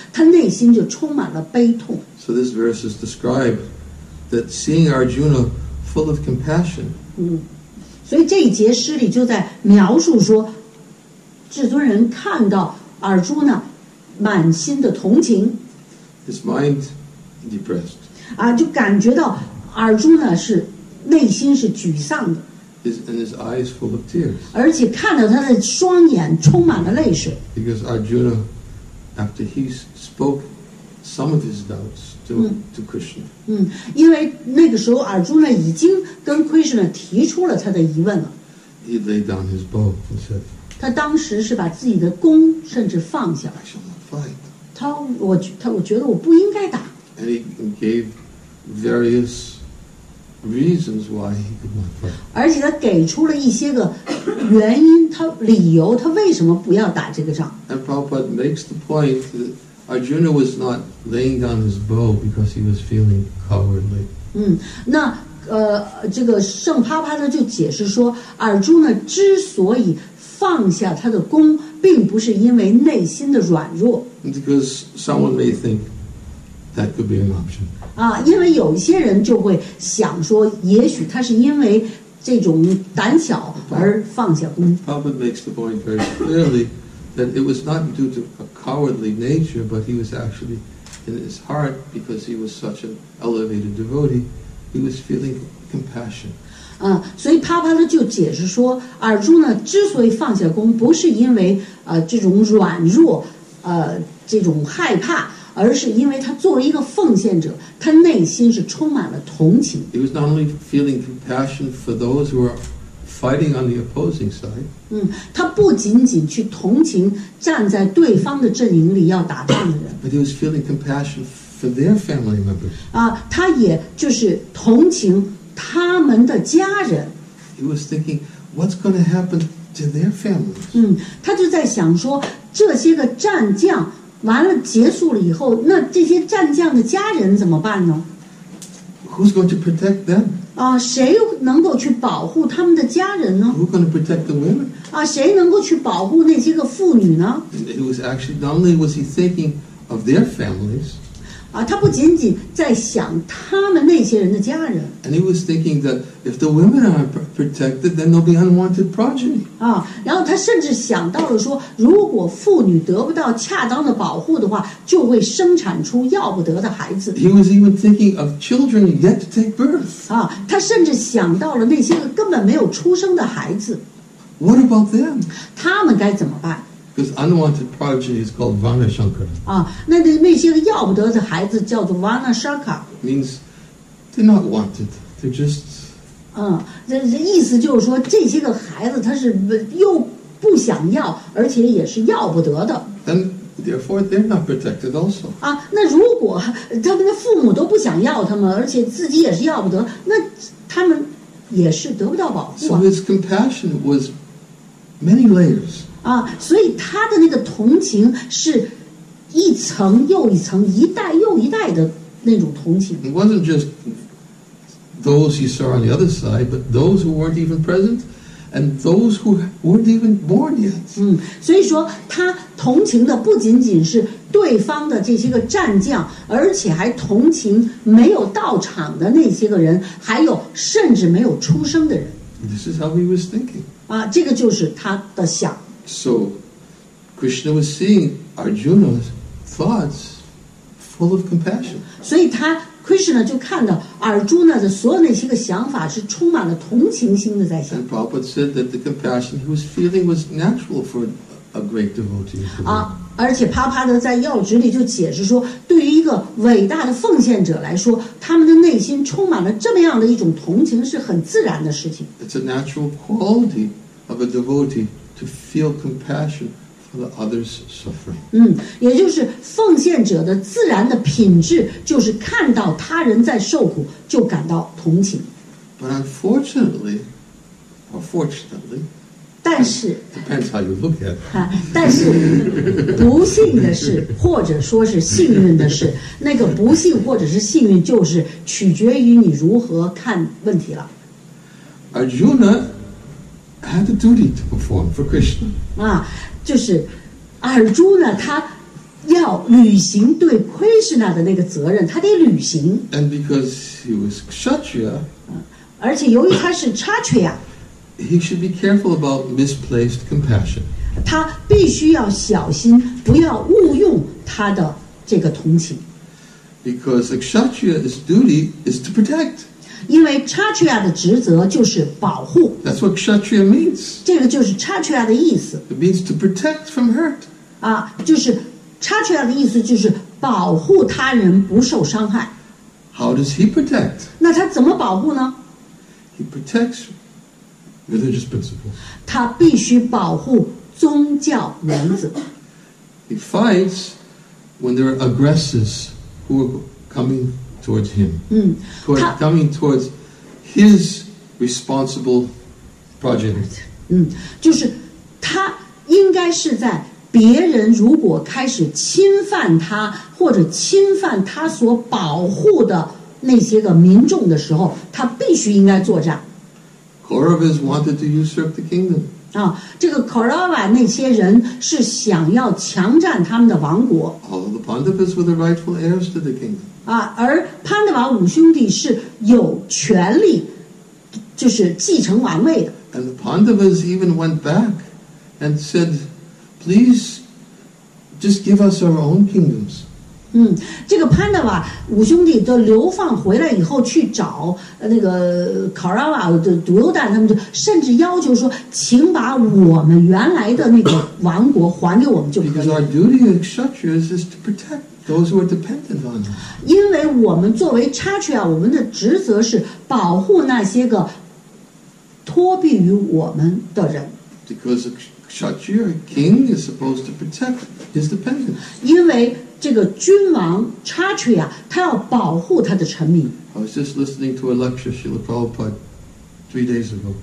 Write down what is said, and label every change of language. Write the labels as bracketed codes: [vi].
[zh] 所以呢，当他看到他的家人们都站在战场上的时候，他内心就充满了悲痛。 [en] So this verse is described that seeing Arjuna full of compassion. [zh] 所以这一节诗里就在描述说，至尊人看到阿朱呢满心的同情。 [en] His mind depressed. [zh] 就感觉到阿朱呢是。内心是沮丧的, [en] and his eyes full of tears. [zh] 而且看到他的双眼充满了泪水。 [en] Because Arjuna, after he spoke some of his doubts to Krishna. [zh] 因为那个时候，阿朱呢已经跟 Krishna 提出了他的疑问了。 [en] He laid down his bow and said, [zh] 他当时是把自己的弓甚至放下了。 [en] I shall not fight. [zh] 他我觉得我不应该打。 [en] And he gave various reasons why he could not fight. [zh] 而且他给出了一些个原因，他理由，他为什么不要打这个仗。 [en] And Prabhupada makes the point that Arjuna was not laying down his bow because he was feeling cowardly. [zh] 那这个圣帕帕呢就解释说，尔朱呢之所以放下他的弓，并不是因为内心的软弱。 [en] Because someone may think that could be an option. [zh] 因为有些人就会想说，也许他是因为这种胆小而放下弓。 [en] Prabhupada makes the point very clearly that it was not due to a cowardly nature, but he was actually in his heart because he was such an elevated devotee. He was feeling compassion. [zh] 所以帕帕呢就解释说，尔朱呢之所以放下弓，不是因为这种软弱，这种害怕，而是因为他作为一个奉献者，他内心是充满了同情。 [en] He was not only feeling compassion for those who are fighting on the opposing side. [zh] 他不仅仅去同情站在对方的阵营里要打仗的人。 [en] But he was feeling compassion. For their family members. [zh] 他也就是同情他们的家人。 [en] He was thinking, what's going to happen to their families? [zh] 他就在想说，这些个战将完了结束了以后，那这些战将的家人怎么办呢？ [en] Who's going to protect them? [zh] 谁能够去保护他们的家人呢？ [en] Who's going to protect the women? [zh] 谁能够去保护那些个妇女呢？ [en] He was actually, not only was he thinking of their families. [zh] 他不仅仅在想他们那些人的家人。 [en] And he was thinking that if the women aren't protected, then there'll be unwanted progeny. [zh] 然后他甚至想到了说，如果妇女得不到恰当的保护的话，就会生产出要不得的孩子。 [en] He was even thinking of children yet to take birth. [zh] 他甚至想到了那些个根本没有出生的孩子。 [en] What about them? [zh] 他们该怎么办？ [en] Because unwanted progeny is called Vana Shankara. [zh] 那些个要不得的孩子叫做 Vana Shankara. [en] Means they're not wanted. They're just. [zh] 这意思就是说，这些个孩子他是又不想要，而且也是要不得的。 [en] And therefore, they're not protected also. [zh] 那如果他们的父母都不想要他们，而且自己也是要不得，那他们也是得不到保护。 [en] So his compassion was many layers. [zh] 所以他的那个同情是一层又一层，一代又一代的那种同情。 [en] It wasn't just those he saw on the other side, but those who weren't even present, and those who weren't even born yet. [zh] 所以说他同情的不仅仅是对方的这些个战将，而且还同情没有到场的那些个人，还有甚至没有出生的人。 [en] This is how he was thinking. [zh] 这个就是他的想。 [en] So, Krishna was seeing Arjuna's thoughts full of compassion. [zh] 所以他 Krishna 就看到 Arjuna 的所有那些个想法是充满了同情心的在想。 [en] And Prabhupada said that the compassion he was feeling was natural for a great devotee. [zh] 而且帕帕德在要旨里就解释说，对于一个伟大的奉献者来说，他们的内心充满了这么样的一种同情是很自然的事情。 [en] It's a natural quality of a devotee. To feel compassion for the other's suffering. [zh] 也就是奉献者的自然的品质，就是看到他人在受苦就感到同情。 [en] But unfortunately, or fortunately, [zh] 但是 [en] depends how you look at it. [zh] 但是不幸的是，或者说是幸运的是，那个不幸或者是幸运，就是取决于你如何看问题了。 [en] Arjuna. Had a duty to perform for Krishna. [zh] 就是尔朱呢，他要履行对 Krishna 的那个责任，他得履行。 [en] And because he was Kshatriya, [zh] 而且由于他是 Kshatriya, [en] he should be careful about misplaced compassion. [zh] 他必须要小心，不要误用他的这个同情。 [en] Because Kshatriya's duty is to protect. [zh] 因为 Kshatriya 的职责就是保护。 [en] That's what Kshatriya means. [zh] 这个就是 Kshatriya 的意思。 [en] It means to protect from hurt. [zh] 就是 Kshatriya 的意思就是保护他人不受伤害。 [en] How does he protect? [zh] 那他怎么保护呢？ [en] He protects religious principles. [zh] 他必须保护宗教原则。 [en] He fights when there are aggressors who are coming towards him. Coming towards his responsible project. [zh] 就是他应该是在别人如果开始侵犯他或者侵犯他所保护的那些个民众的时候，他必须应该作战。 [en] Korav has wanted to usurp the kingdom. [zh] 啊，这个 Korav 那些人是想要强占他们的王国。 [en] Although the Pandavas were the rightful heirs to the kingdom. [zh] 啊，而潘德瓦五兄弟是有权利，就是继承王位的。 [en] And the Pandavas even went back and said, "Please, just give us our own kingdoms." [zh] 这个潘德瓦五兄弟都流放回来以后去找那个卡拉瓦的独流旦，他们就甚至要求说，请把我们原来的那个王国还给我们就可以了。 [en] Because our duty as Kshatriyas is to protect those who are dependent on us. [zh] 因为我们作为 Kshatriya， 我们的职责是保护那些个托庇于我们的人。 [en] Because a Kshatriya, a king, is supposed to protect his dependents. [zh] 因为这个君王 Kshatriya， 他要保护他的臣民。 [en] I was just listening to a lecture Srila Prabhupada 3 days ago.